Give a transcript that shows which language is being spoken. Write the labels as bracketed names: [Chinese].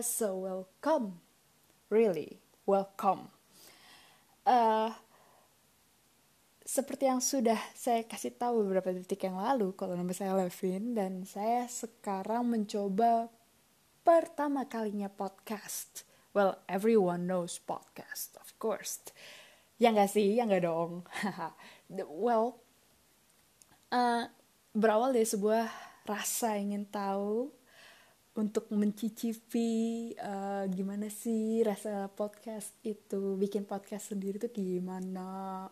[English] So welcome. Really, welcome. [Indonesian] Seperti yang sudah saya kasih tahu beberapa detik yang lalu, kalau nama saya Levin dan saya sekarang mencoba pertama kalinya podcast. [English] Well, everyone knows podcast, of course. [Indonesian] Ya nggak sih? Ya nggak dong? Well, berawal dari sebuah rasa ingin tahu untuk mencicipi gimana sih rasa podcast itu, bikin podcast sendiri tuh gimana.